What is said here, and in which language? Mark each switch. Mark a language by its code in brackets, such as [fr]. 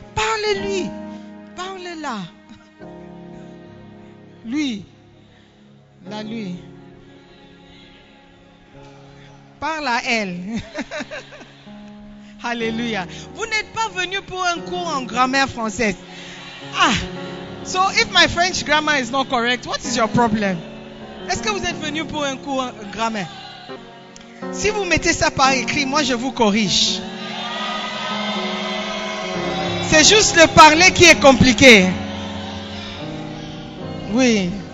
[fr] Parle-lui. Parle-la. Lui. La lui. Parle à elle. Alléluia. Vous n'êtes pas venu pour un cours en grammaire française. Ah. [en] So if my French grammar is not correct, what is your problem? [fr] Est-ce que vous êtes venu pour un cours en grammaire? Si vous mettez ça par écrit, moi je vous corrige. C'est juste le parler qui est compliqué. Oui.